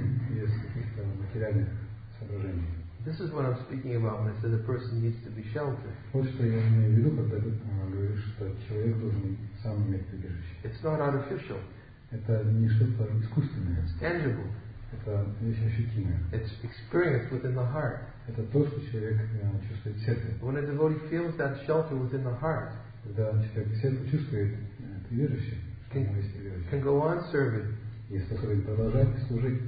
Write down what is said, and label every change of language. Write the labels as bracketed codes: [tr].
[ru] Без каких-то материальных соображений. [en] This is what I'm speaking about when I say the person needs to be sheltered. [ru] Вот что я имею в виду, когда говорю, что человек должен сам иметь прибежище. [en] It's not artificial. [ru] Это не что-то искусственное. [en] It's tangible. [ru] Это вещь ощутимая. [en] It's experienced within the heart. [ru] Это то, что человек чувствует в сердце. [en] When a devotee feels that shelter within the heart, [ru] когда человек в сердце чувствует прибежище, can, что у него есть прибежище, [en] can go on serving, [ru] и способен продолжать служить,